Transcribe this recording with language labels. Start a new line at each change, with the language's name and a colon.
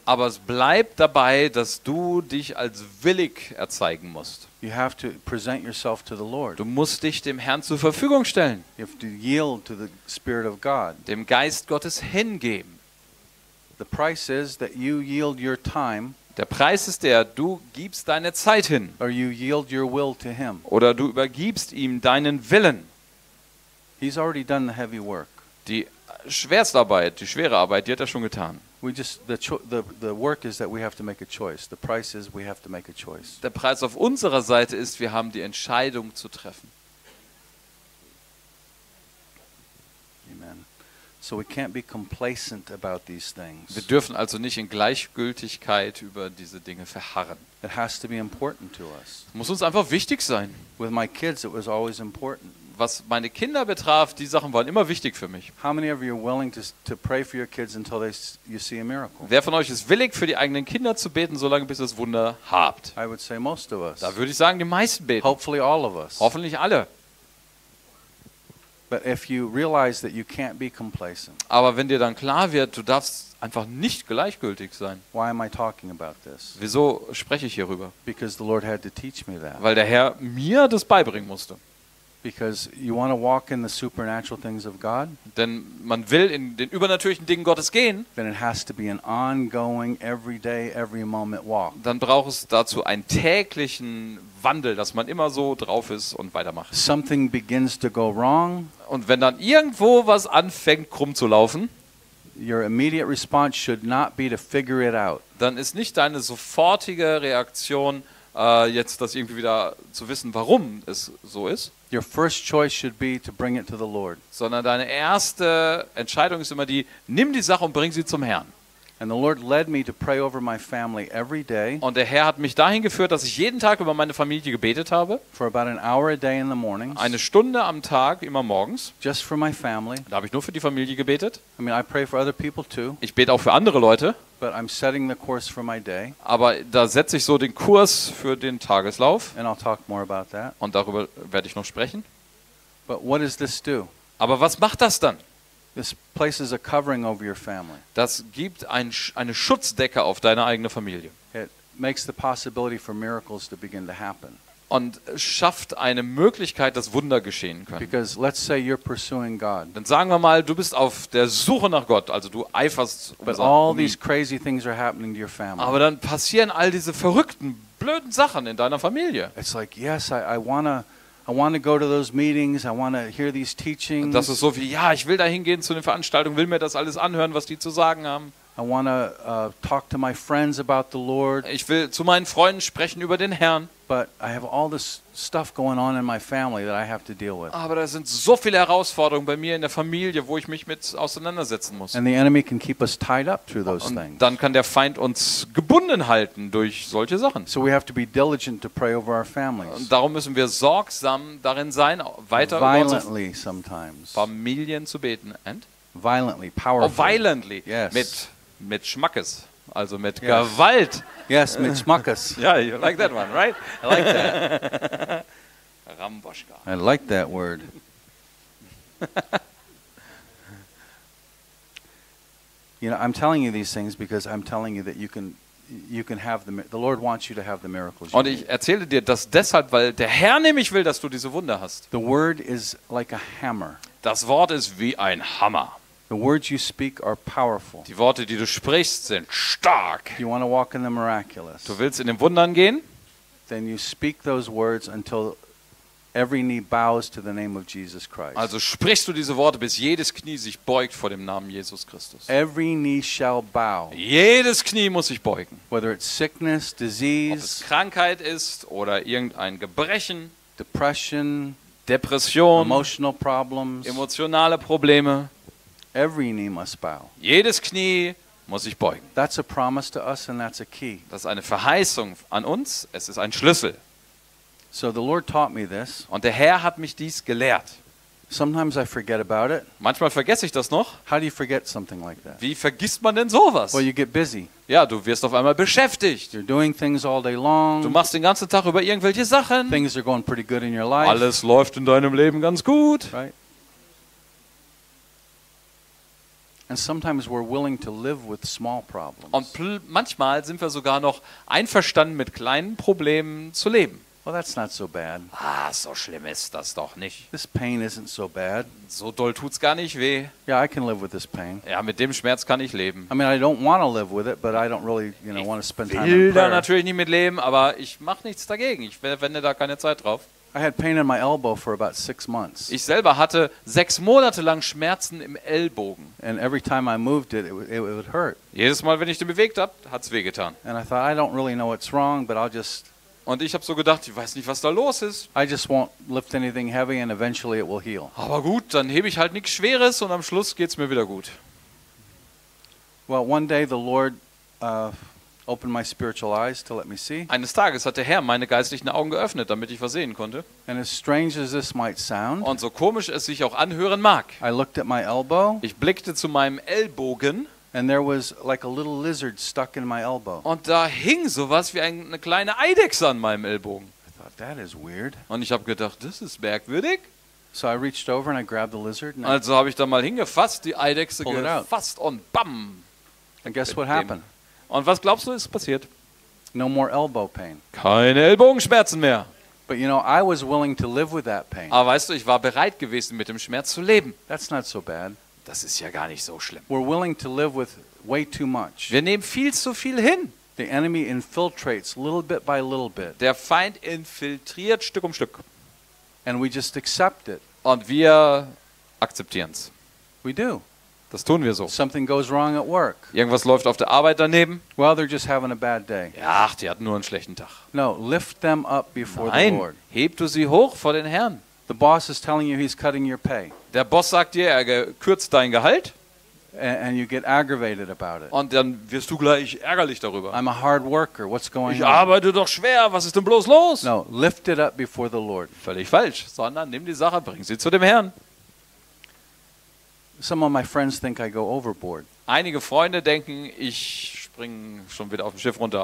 German: Aber es bleibt dabei, dass du dich als willig erzeigen musst.
English: You have to present yourself to the Lord.
German: Du musst dich dem Herrn zur Verfügung stellen.
English: You have to yield to the Spirit of God.
German: Dem Geist Gottes hingeben.
English: The price is that you yield your time.
German: Der Preis ist der, du gibst deine Zeit hin.
English: Or you yield your will to him.
German: Oder du übergibst ihm deinen Willen.
English: He's already done the heavy work.
German: Die Schwerstarbeit, die schwere Arbeit, die hat er schon getan.
English: We just the work is that we have to make a choice. The price is we have to make a choice.
German: Der Preis auf unserer Seite ist, wir haben die Entscheidung zu treffen. Amen.
English: So we can't be complacent about these things.
German: Wir dürfen also nicht in Gleichgültigkeit über diese Dinge verharren.
English: It has to be important to us.
German: Muss uns einfach wichtig sein.
English: With my kids it was always important.
German: Was meine Kinder betraf, die Sachen waren immer wichtig für mich. Wer von euch ist willig, für die eigenen Kinder zu beten, solange bis ihr das Wunder habt?
English: I would say most of us.
German: Da würde ich sagen, die meisten beten.
English: Hopefully all of us.
German: Hoffentlich alle.
English: But if you realize that you can't be complacent.
German: Aber wenn dir dann klar wird, du darfst einfach nicht gleichgültig sein.
English: Why am I talking about this?
German: Wieso spreche ich hierüber?
English: Because the Lord had to teach me that.
German: Weil der Herr mir das beibringen musste.
English: Because you want to walk in the supernatural things of God,
German: denn man will in den übernatürlichen Dingen Gottes gehen,
English: then it has to be an ongoing, every day, every moment walk.
German: Dann braucht es dazu einen täglichen Wandel, dass man immer so drauf ist und weitermacht.
English: Something begins to go wrong,
German: und wenn dann irgendwo was anfängt krumm zu laufen,
English: your immediate response should not be to figure it out.
German: Dann ist nicht deine sofortige Reaktion jetzt das irgendwie wieder zu wissen, warum es so ist.
English: Your first choice should be to bring it to the Lord.
German: Sondern deine erste Entscheidung ist immer die, nimm die Sache und bring sie zum Herrn.
English: And the Lord led me to pray over my family every day.
German: Und der Herr hat mich dahin geführt, dass ich jeden Tag über meine Familie gebetet habe.
English: For about an hour a day in the mornings.
German: Eine Stunde am Tag, immer morgens.
English: Just for my family.
German: Da habe ich nur für die Familie gebetet.
English: I mean, I pray for other people too.
German: Ich bete auch für andere Leute.
English: But I'm setting the course for my day.
German: Aber da setze ich so den Kurs für den Tageslauf.
English: And I'll talk more about that.
German: Und darüber werde ich noch sprechen.
English: But what does this do?
German: Aber was macht das dann?
English: This places a covering over your family.
German: Das gibt eine Schutzdecke auf deine eigene Familie.
English: It makes the possibility for miracles to begin to happen.
German: Und schafft eine Möglichkeit, dass Wunder geschehen können.
English: Because let's say you're pursuing God.
German: Dann sagen wir mal, du bist auf der Suche nach Gott, also du eiferst.
English: But all these crazy things are happening to your family.
German: Aber dann passieren all diese verrückten, blöden Sachen in deiner Familie.
English: It's like, yes, I want to go to those meetings, I want to hear these teachings.
German: Das ist so wie, ja, ich will da hingehen zu den Veranstaltungen, will mir das alles anhören, was die zu sagen haben.
English: I want to talk to my friends about the Lord.
German: Ich will zu meinen Freunden sprechen über den Herrn.
English: But I have all this stuff going on in my family that I have to deal with.
German: Aber da sind so viele Herausforderungen bei mir in der Familie, wo ich mich mit auseinandersetzen muss.
English: And the enemy can keep us tied up through those things.
German: Und dann kann der Feind uns gebunden halten durch solche Sachen.
English: So we have to be diligent to pray over our families.
German: Und darum müssen wir sorgsam darin sein, weiter
English: violently sometimes.
German: Familien zu beten
English: and violently, powerfully. Oh, violently. Yes.
German: Mit Schmackes, also mit
English: yes.
German: Gewalt.
English: Yes,
German: mit Schmackes.
English: Yeah, you like that one, right? I like that. Ramboschka. I like that word. You know, I'm telling you these things because I'm telling you that you can have the Lord wants you to have the miracles.
German: Und ich erzähle dir das deshalb, weil der Herr nämlich will, dass du diese Wunder hast.
English: The word is like a hammer.
German: Das Wort ist wie ein Hammer.
English: The words you speak are powerful.
German: Die Worte, die du sprichst, sind stark.
English: You want to walk in the miraculous.
German: Du willst in den Wundern gehen?
English: Then you speak those words until every knee bows to the name of Jesus Christ.
German: Also sprichst du diese Worte, bis jedes Knie sich beugt vor dem Namen Jesus Christus.
English: Every knee shall bow.
German: Jedes Knie muss sich beugen.
English: Whether it's sickness, disease,
German: ob es Krankheit ist oder irgendein Gebrechen,
English: Depression, emotional problems,
German: emotionale Probleme.
English: Every knee must bow.
German: Jedes Knie muss sich beugen.
English: That's a promise to us and that's a key.
German: Das ist eine Verheißung an uns, es ist ein Schlüssel.
English: So the Lord taught me this.
German: Und der Herr hat mich dies gelehrt.
English: Sometimes I forget about it.
German: Manchmal vergesse ich das noch.
English: How do you forget something like that?
German: Wie vergisst man denn sowas?
English: Well, you get busy.
German: Ja, du wirst auf einmal beschäftigt.
English: You're doing things all day long.
German: Du machst den ganzen Tag über irgendwelche Sachen.
English: Things are going pretty good in your life.
German: Alles läuft in deinem Leben ganz gut.
English: Right? And sometimes we're willing to live with small problems.
German: Und manchmal sind wir sogar noch einverstanden mit kleinen Problemen zu leben.
English: Well, that's not so bad.
German: Ah, so schlimm ist das doch nicht.
English: This pain isn't so bad.
German: So doll tut's gar nicht weh.
English: Yeah, I can live with this pain.
German: Ja, mit dem Schmerz kann ich leben.
English: I mean, I don't want to live with it, but I don't really, you know, want to spend time in prayer.
German: Ich will da natürlich nicht mit leben, aber ich mache nichts dagegen. Ich wende da keine Zeit drauf.
English: I had pain in my elbow for about 6 months.
German: Ich selber hatte 6 Monate lang Schmerzen im Ellbogen.
English: And every time I moved it would hurt.
German: Jedes Mal, wenn ich den bewegt habe, hat's weh getan.
English: And I thought, I don't really know what's wrong, but I'll just.
German: Und ich habe so gedacht, ich weiß nicht, was da los ist.
English: I just won't lift anything heavy and eventually it will heal.
German: Aber gut, dann hebe ich halt nichts Schweres und am Schluss geht's mir wieder gut.
English: Well, one day the Lord opened my spiritual eyes to let me see.
German: Eines Tages hat der Herr meine geistlichen Augen geöffnet, damit ich was sehen konnte.
English: And as strange as this might sound,
German: und so komisch es sich auch anhören mag,
English: I looked at my elbow.
German: Ich blickte zu meinem Ellbogen.
English: And there was like a little lizard stuck in my elbow.
German: Und da hing sowas wie eine kleine Eidechse an meinem Ellbogen.
English: I thought, that is weird.
German: Und ich habe gedacht, das ist merkwürdig.
English: So I reached over and I grabbed the lizard. And
German: also habe ich da mal hingefasst, die Eidechse gefasst und bam.
English: And guess what happened?
German: Und was glaubst du, ist passiert?
English: No more elbow pain.
German: Keine Ellbogenschmerzen mehr.
English: But you know, I was willing to live with that pain.
German: Aber weißt du, ich war bereit gewesen, mit dem Schmerz zu leben.
English: That's not so bad.
German: Das ist ja gar nicht so schlimm.
English: We're willing to live with way too much.
German: Wir nehmen viel zu viel hin.
English: The enemy infiltrates little bit by little bit.
German: Der Feind infiltriert Stück um Stück.
English: And we just accept it.
German: Und wir akzeptieren's.
English: We do.
German: Das tun wir so.
English: Something goes wrong at work.
German: Irgendwas läuft auf der Arbeit daneben.
English: Well, they're just having a bad day.
German: Ach, die hatten nur einen schlechten Tag.
English: No, lift them up before
German: Nein,
English: the Lord.
German: Heb du sie hoch vor den Herrn.
English: The boss is telling you he's cutting your pay.
German: Der Boss sagt dir, er kürzt dein Gehalt.
English: And you get aggravated about it.
German: Und dann wirst du gleich ärgerlich darüber.
English: I'm a hard worker. What's going on?
German: Ich arbeite doch schwer. Was ist denn bloß los?
English: No, lift it up before the Lord.
German: Völlig falsch. Sondern nimm die Sache, bring sie zu dem Herrn.
English: Some of my friends think I go overboard.
German: Einige Freunde denken, ich springe schon wieder auf dem Schiff runter.